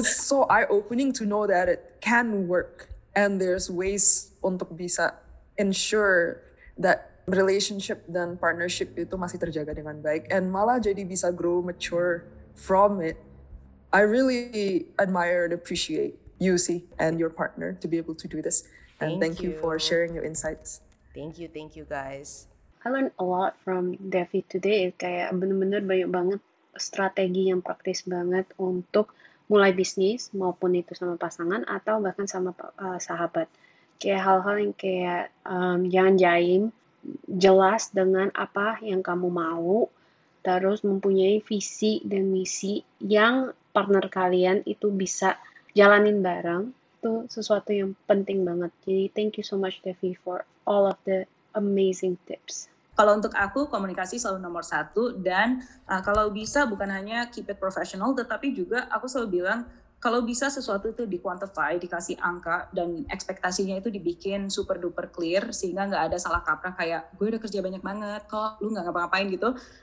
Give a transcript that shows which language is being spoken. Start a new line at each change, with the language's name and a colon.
English: It's so eye-opening to know that it can work. And there's ways
Indonesian: untuk bisa
English: ensure that relationship
Indonesian: dan partnership itu masih terjaga dengan baik.
English: And
Indonesian: malah jadi bisa
English: grow mature from it. I really admire and appreciate you, Si, and your partner to be able to do this. And thank you for sharing your insights. Thank you guys. I learned a lot from Devi today.
Indonesian: Kayak benar-benar banyak banget strategi yang praktis banget untuk mulai bisnis maupun itu sama pasangan atau bahkan sama sahabat. Kayak hal-hal yang kayak jangan jaim, jelas dengan apa yang kamu mau, terus mempunyai visi dan misi yang partner kalian itu bisa jalanin bareng. Itu sesuatu yang penting banget. Jadi
English: thank you so much Devi for all of the amazing tips.
Indonesian: Kalau untuk aku, komunikasi selalu nomor satu. Dan kalau bisa bukan hanya
English: keep it professional,
Indonesian: tetapi juga aku selalu bilang kalau bisa sesuatu itu di-quantify, dikasih angka, dan ekspektasinya itu dibikin
English: super duper clear
Indonesian: sehingga nggak ada salah kaprah kayak gue udah kerja banyak banget kok lu nggak ngapa-ngapain gitu.